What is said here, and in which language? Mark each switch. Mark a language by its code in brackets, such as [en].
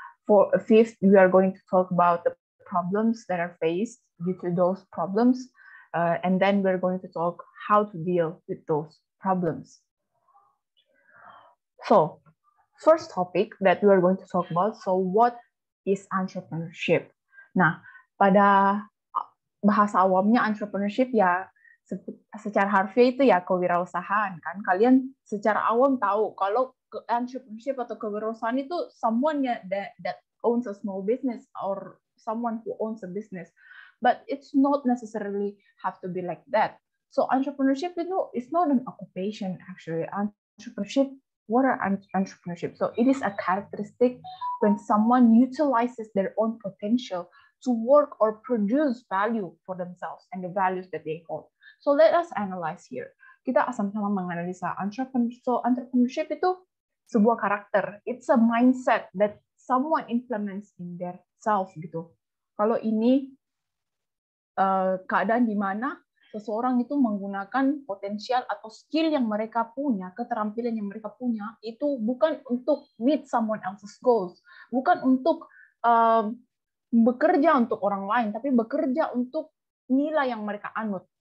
[en] For a fifth, we are going to talk about the problems that are faced due to those problems. And then we're going to talk how to deal with those problems. So first topic that we are going to talk about, so what is entrepreneurship? [id] Nah, pada bahasa awamnya entrepreneurship ya secara harfiah itu ya kewirausahaan kan. Kalian secara awam tahu kalau entrepreneurship atau kewirausahaan itu [en] someone that owns a small business or someone who owns a business. But it's not necessarily have to be like that. So entrepreneurship, you know, it's not an occupation actually. Entrepreneurship, what are entrepreneurship? So it is a characteristic when someone utilizes their own potential to work or produce value for themselves and the values that they hold. So let us analyze here. [id] Kita sama-sama menganalisa [en] entrepreneurship. So entrepreneurship [id] itu sebuah karakter. [en] It's a mindset that someone implements in their self gitu. [id] Kalau ini keadaan di mana seseorang itu menggunakan potensial atau skill yang mereka punya, keterampilan yang mereka punya, itu bukan untuk [en] meet someone else's goals. [id] Bukan untuk bekerja untuk orang lain, tapi bekerja untuk nilai yang mereka anut.